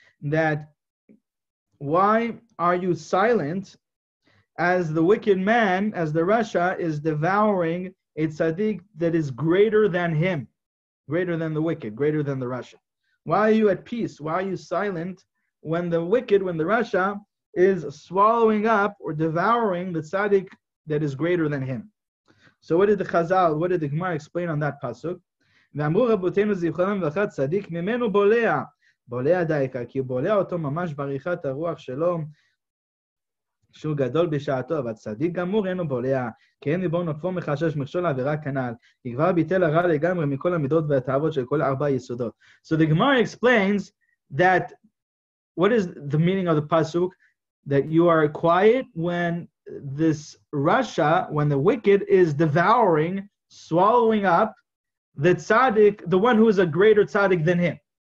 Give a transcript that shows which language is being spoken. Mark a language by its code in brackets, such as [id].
[en] That why are you silent as the wicked man, as the Rasha, is devouring a tzaddik that is greater than him, greater than the wicked, greater than the Rasha. Why are you at peace? Why are you silent when the wicked, when the Rasha, is swallowing up or devouring the tzaddik that is greater than him? So what did the Chazal, what did the Gemara explain on that pasuk? [he] ואמרו רבותינו זיכרונם לברכה צדיק ממנו בולע, בולע דייקה, כי הוא בולע אותו ממש בריחת הרוח שלו, שהוא גדול בשעתו, אבל צדיק גמור אינו בולע, כי אין ליבו נוקפו מחשש מכשול עבירה כנעל, כי כבר ביטל הרע לגמרי מכל המידות והתאוות של כל ארבע יסודות. [en] So the Gemara explains that, what is the meaning of the pasuk, that you are quiet when this Rasha, when the wicked is devouring, swallowing up, the tzaddik, the one who is a greater tzaddik than him.